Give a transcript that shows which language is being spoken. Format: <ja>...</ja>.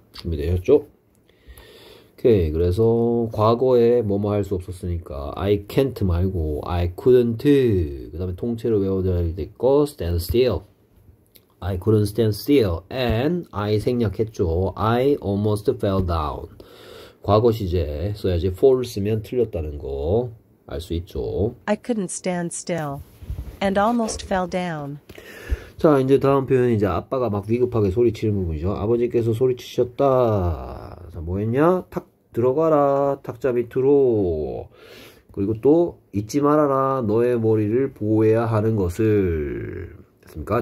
<ko>준비되셨죠? 오케이. 그래서 과거에 뭐뭐 할수 없었으니까</ko> <en>I can't</en> <ko>말고</ko> <en>I couldn't.</en> <ko>그 다음에 통째로 외워져야 될거</ko> <en>stand still. I couldn't stand still. And I</en> <ko>생략했죠.</ko> <en>I almost fell down.</en> <ko>과거 시제 써야지 for 쓰면 틀렸다는 거알수 있죠.</ko> <en>I couldn't stand still and almost fell down.</en> <ko>자, 이제 다음 표현이 이제 아빠가 막 위급하게 소리치는 부분이죠. 아버지께서 소리치셨다. 자, 뭐 했냐? 탁 들어가라. 탁자 밑으로. 그리고 또 잊지 말아라. 너의 머리를 보호해야 하는 것을. 됐습니까?</ko>